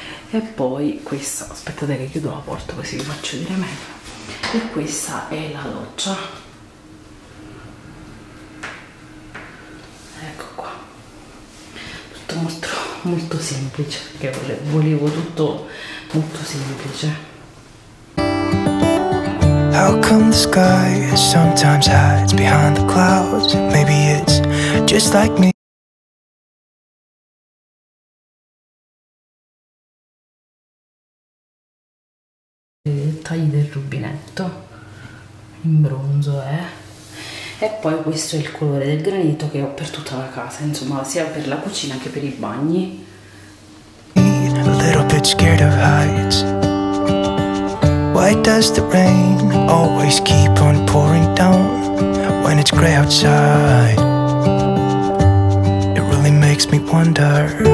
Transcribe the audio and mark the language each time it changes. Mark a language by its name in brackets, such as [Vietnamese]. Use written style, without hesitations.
[Italian] E poi questa, aspettate che chiudo la porta così vi faccio vedere meglio. E questa è la doccia. Ecco qua. Tutto molto, molto semplice, perché volevo tutto molto semplice. [English] How come the sky sometimes hides behind the clouds? Maybe it's just like me. [Italian] Tagli del rubinetto in bronzo, e poi questo è il colore del granito che ho per tutta la casa, insomma, sia per la cucina che per i bagni. [English] Why does the rain always keep on pouring down when it's gray outside? It really makes me wonder.